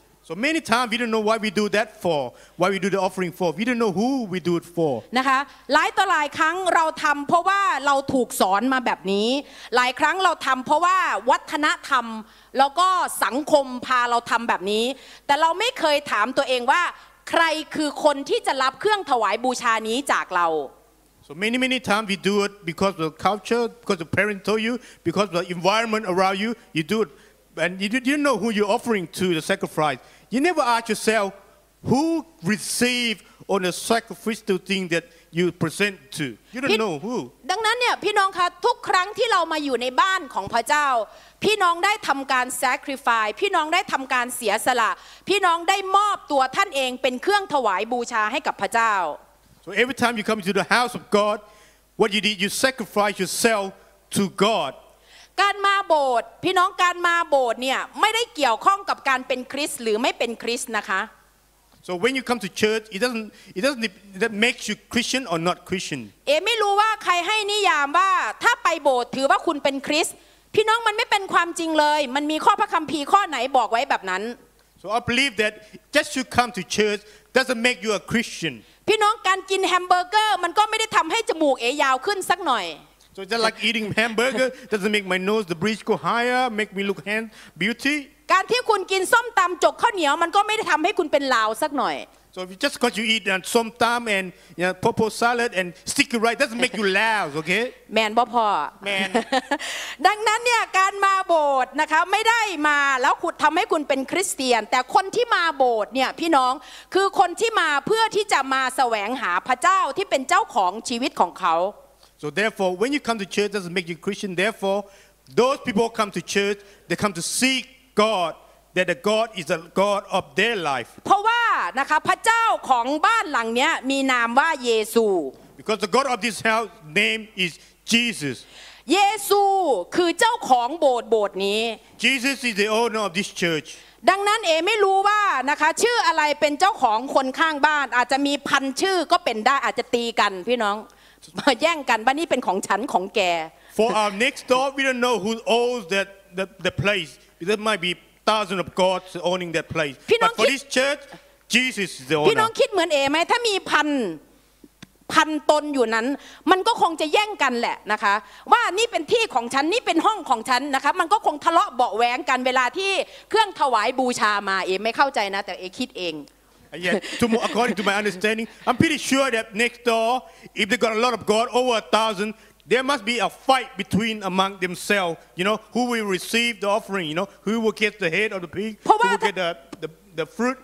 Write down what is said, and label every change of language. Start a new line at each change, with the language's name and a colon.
English: so many times we don't know why we do that for why we do the offering for we don't know who we do it for
Thai: นะคะหลายต่อหลายครั้งเราทำเพราะว่าเราถูกสอนมาแบบนี้หลายครั้งเราทำเพราะว่าวัฒนธรรมแล้วก็สังคมพาเราทำแบบนี้แต่เราไม่เคยถามตัวเองว่าใครคือคนที่จะรับเครื่องถวายบูชานี้จากเรา
English: So many times we do it because of the culture because the parent told you because of the environment around you you do it and you didn't know who you're offering to the sacrifice you never ask yourself who receive on the sacrificial thing that you present to you don't know who
Thai: ดังนั้นเนี่ยพี่น้องคะทุกครั้งที่เรามาอยู่ในบ้านของพระเจ้าพี่น้องได้ทำการ sacrifice พี่น้องได้ทำการเสียสละพี่น้องได้มอบตัวท่านเองเป็นเครื่องถวายบูชาให้กับพระเจ้า
English: So every time you come to the house of God what you did you sacrifice yourself to God
Thai: การมาโบสถ์พี่น้องการมาโบสถ์เนี่ยไม่ได้เกี่ยวข้องกับการเป็นคริสต์หรือไม่เป็นคริสต์นะคะ
English: So when you come to church it doesn't make you Christian or not Christian
Thai: เอ๋ไม่รู้ว่าใครให้นิยามว่าถ้าไปโบสถ์ถือว่าคุณเป็นคริสต์พี่น้องมันไม่เป็นความจริงเลยมันมีข้อพระคัมภีร์ข้อไหนบอกไว้แบบนั้น
English: So I believe that just you come to church doesn't make you a Christian
Thai: พี่น้องการกินแฮมเบอร์เกอร์มันก็ไม่ได้ทำให้จมูกเอยาวขึ้นสักหน่อย
English: So just like eating hamburger doesn't make my nose the bridge go higher make me look handsome beauty
Thai: การที่คุณกินส้มตำจกข้าวเหนียวมันก็ไม่ได้ทำให้คุณเป็นลาวสักหน่อย
English: So if you just because you eat some tam and you know, popo salad and sticky rice doesn't make you loud, okay?
Thai: แมนบ่พอ
English: Man.
Thai: ดังนั้นเนี่ยการมาโบสถ์นะคะไม่ได้มาแล้วขุดทำให้คุณเป็นคริสเตียนแต่คนที่มาโบสถ์เนี่ยพี่น้องคือคนที่มาเพื่อที่จะมาแสวงหาพระเจ้าที่เป็นเจ้าของชีวิตของเขา
English: So therefore, when you come to church, doesn't make you Christian. Therefore, those people come to church. They come to seek God. That the God is the God of their life.
Thai: เพราะว่านะคะพระเจ้าของบ้านหลังเนี้ยมีนามว่าเยซู
English: Because the God of this house name is Jesus.
Thai: เยซูคือเจ้าของโบสถ์นี้
English: Jesus is the owner of this church.
Thai: ดังนั้นเอไม่รู้ว่านะคะชื่ออะไรเป็นเจ้าของคนข้างบ้านอาจจะมีพันชื่อก็เป็นได้อาจจะตีกันพี่น้องมาแย่งกันบ้านนี้เป็นของฉันของแก
English: For our next door we don't know who owns that the place there might be thousands of gods owning that place but for this church Jesus is the owner
Thai: พี่น้องคิดเหมือนเอไหมถ้ามีพันตนอยู่นั้นมันก็คงจะแย่งกันแหละนะคะว่านี่เป็นที่ของฉันนี่เป็นห้องของฉันนะคะมันก็คงทะเลาะเบาะแว้งกันเวลาที่เครื่องถวายบูชามาเอไม่เข้าใจนะแต่เอคิดเอง
English: According to my understanding I'm pretty sure that next door if they got a lot of God over a thousand there must be a fight between among themselves you know who will receive the offering you know who will get the head of the pig who will get the fruit